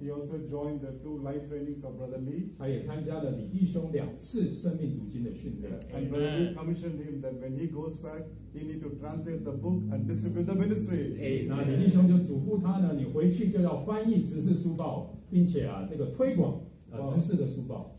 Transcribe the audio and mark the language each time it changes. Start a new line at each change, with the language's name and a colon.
English: He also joined the two life trainings of Brother Lee.
Chinese: 他也参加了李弟兄两次生命读经的训练。
English: Yeah, and Brother Lee commissioned him that when he goes back, he need to translate the book and distribute the ministry.
Chinese: 那李弟兄就嘱咐他呢，你回去就要翻译执事书报，并且啊，这个推广执事的书报。